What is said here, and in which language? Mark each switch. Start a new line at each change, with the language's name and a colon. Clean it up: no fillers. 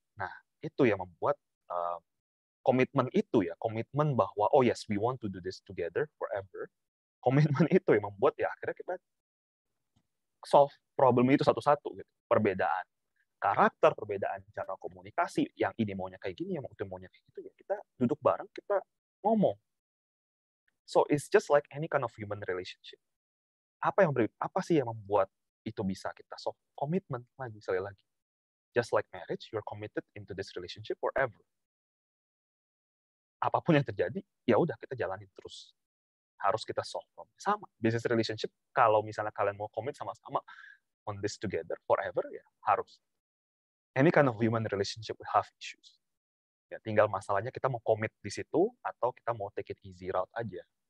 Indonesian: Nah, itu yang membuat komitmen itu ya, komitmen bahwa
English: oh yes, we want to do this together forever.
Indonesian: Komitmen itu yang membuat ya akhirnya kita solve problem itu satu-satu gitu. Perbedaan karakter, perbedaan cara komunikasi, yang ini maunya kayak gini, yang itu maunya kayak gitu, ya kita duduk bareng, kita ngomong.
English: So it's just like any kind of human relationship.
Indonesian: Apa sih yang membuat itu bisa kita solve? Commitment lagi, sekali lagi.
English: Just like marriage, you're committed into this relationship forever.
Indonesian: Apapun yang terjadi, ya udah kita jalanin terus. Harus kita solve. Sama business relationship, kalau misalnya kalian mau commit sama-sama
English: on this together forever,
Indonesian: ya harus.
English: Any kind of human relationship will have issues.
Indonesian: Ya, tinggal masalahnya kita mau commit di situ atau kita mau
English: take it easy route
Indonesian: aja.